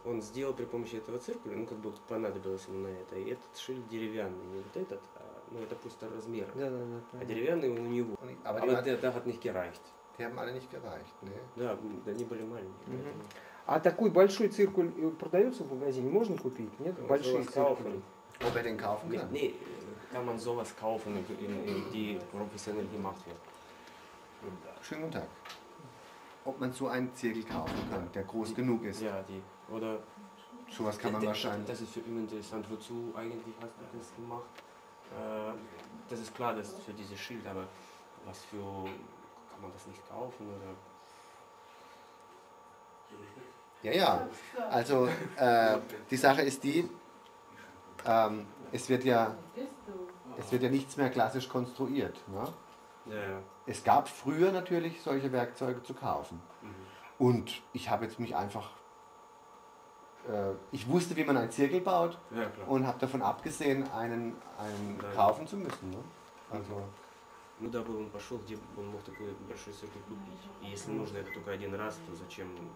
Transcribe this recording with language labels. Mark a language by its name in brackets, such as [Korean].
[Russian] Он сделал при помощи этого циркуля, как бы понадобилось ему на это. И этот шильд деревянный, не вот этот, это просто размер. А деревянный он у него. [German] Aber der hat nicht gereicht. Die haben alle nicht gereicht, ne? [Russian] Да, они были маленькие. А такой большой циркуль продается в магазине? Можно купить? Нет? Большой циркуль. [German] Ob er den kaufen kann? Nee, kann man sowas kaufen, die professionell gemacht wird. Schönen guten Tag. Ob man so einen Zirkel kaufen kann, der groß genug ist? Ja, die. Oder. Sowas kann man wahrscheinlich. Das ist für ihn interessant. Wozu eigentlich hast du das gemacht? Das ist klar, das ist für dieses Schild, aber was für. Kann man das nicht kaufen? Oder? Ja, ja. Also die Sache ist die, es wird ja nichts mehr klassisch konstruiert. Ne? Ja, ja. Es gab früher natürlich solche Werkzeuge zu kaufen. Mhm. Und ich habe jetzt mich einfach, ich wusste, wie man einen Zirkel baut, ja, klar. Und habe davon abgesehen, einen kaufen zu müssen. Ne? Also, [Russian] ну да, он пошел, где он мог такой большой циркуль купить. И если нужно это только один раз, то зачем?